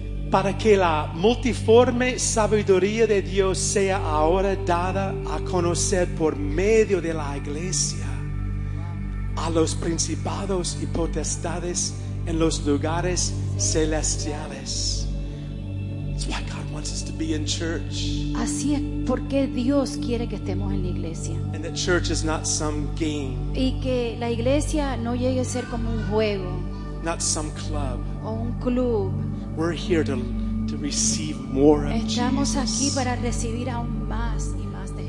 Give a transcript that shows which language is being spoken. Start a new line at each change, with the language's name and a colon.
Spanish: Para que la multiforme sabiduría de Dios sea ahora dada a conocer por medio de la iglesia a los principados y potestades en los lugares celestiales.
English: That's why God wants us to be in church.
Spanish: Así es porque Dios quiere que estemos en la iglesia.
English: And the church is not some game.
Spanish: Y que la iglesia no llegue a ser como un juego.
English: Not some club.
Spanish: O un club.
English: We're here to receive more of
Spanish: Estamos
English: Jesus.
Spanish: Aquí para recibir aún más y más de Jesús.